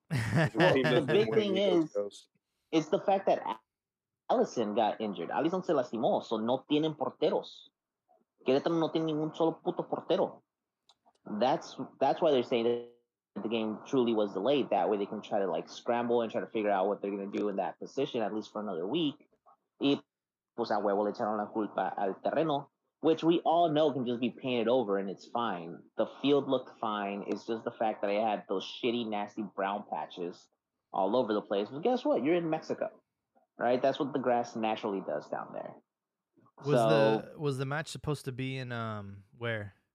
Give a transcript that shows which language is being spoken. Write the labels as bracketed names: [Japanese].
[English] It's the fact that Allison got injured. [Spanish] Allison se lastimó, so no tienen porteros. Querétaro no tiene ningún solo puto portero. [English] That's why they're saying that the game truly was delayed. That way they can try to like scramble and try to figure out what they're going to do in that position, at least for another week. [Spanish] Y pues a huevo le echaron la culpa al terreno. [English] Which we all know can just be painted over and it's fine. The field looked fine. It's just the fact that I had those shitty, nasty brown patches all over the place. But guess what? You're in Mexico, right? That's what the grass naturally does down there. Was the match supposed to be in where?